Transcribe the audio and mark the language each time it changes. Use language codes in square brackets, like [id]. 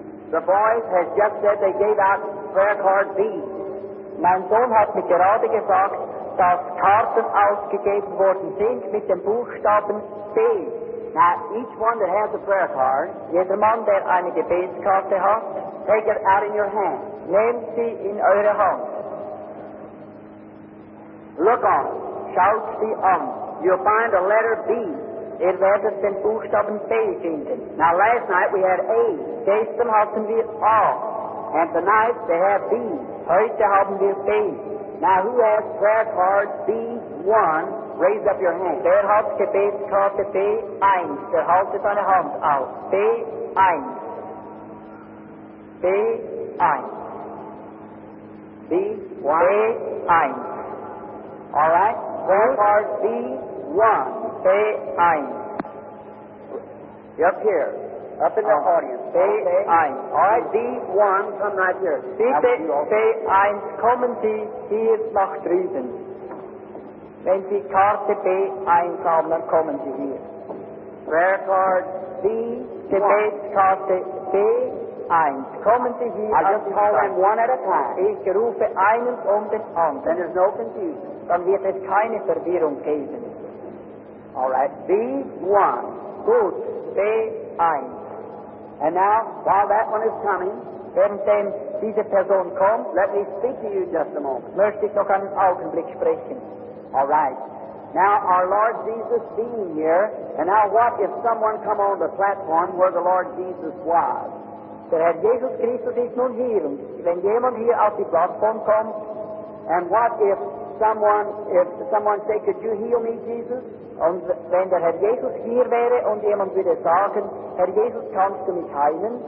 [en] The boys had just said they gave out prayer card B. [de] Mein Sohn hat mir gerade gesagt, dass Karten ausgegeben worden sind mit dem Buchstaben B. [en] Now, each one that has a prayer card, [de] jeder Mann, der eine Gebetskarte hat, [en] take it out in your hand. [de] Nehmt sie in eure Hand. [en] Look on. [de] Schaut sie an. [en] You'll find a letter B. [de] Ihr werdet den Buchstaben B finden. [en] Now, last night we had A. [de] Gestern hatten wir A. [en] And tonight they have B. [de] Heute haben wir B. [en] Now, who has prayer card B1? Raise up your hand. [de] Wer hat Gebetskarte B1? Der haltet seine Hand auf. [en] B1. B1. B1. B1. All right. Prayer card B1. B1. Up here. Up in the audience. B1. All right. B1, come right here. [de] Bitte, B1, kommen Sie hier nach drüben. Wenn Sie Karte B1 haben, dann kommen Sie hier. [en] Prayer card B1. [de] Gebetskarte B1. Kommen Sie hier. [en] I just call them one at a time. [de] Ich rufe einen um den anderen. [en] Then there's no confusion. [de] Dann wird es keine Verwirrung geben. [en] All right. B1. [de] Gut. B1. [en] And now, while that one is coming, [de] wenn diese Person kommt, [en] let me speak to you just a moment. [de] Möchte ich noch einen Augenblick sprechen. [en] All right. Now, our Lord Jesus being here, and now what if someone come on the platform where the Lord Jesus was? [de] Der Herr Jesus Christus ist nun hier. Wenn jemand hier auf die Plattform kommt, [en] and what if someone say, could you heal me, Jesus? [de] Und wenn der Herr Jesus hier wäre und jemand würde sagen, Herr Jesus, kannst du mich heilen?